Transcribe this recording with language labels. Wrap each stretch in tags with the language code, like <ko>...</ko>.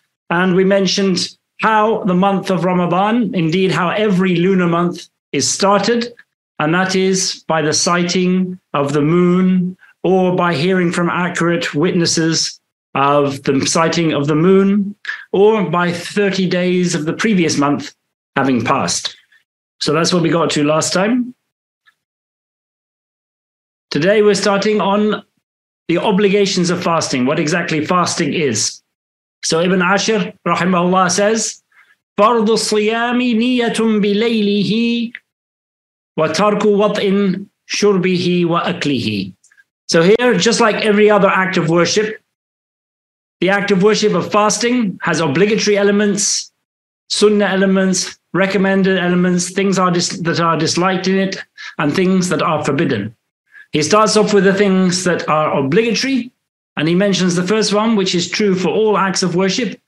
<en>And we mentioned how the month of Ramadan, indeed how every lunar month is started, and that is by the sighting of the moon or by hearing from accurate witnesses of the sighting of the moon or by 30 days of the previous month having passed. So that's what we got to last time. Today we're starting on the obligations of fasting, what exactly fasting is. So Ibn Ashir, rahimahullah, says,</en> <ar>فرض الصيام نية بليله وترك وطء شربه وأكله.</ar> <en>So here, just like every other act of worship, the act of worship of fasting has obligatory elements, sunnah elements, recommended elements, things are that are disliked in it, and things that are forbidden. He starts off with the things that are obligatory, and he mentions the first one, which is true for all acts of worship.</en>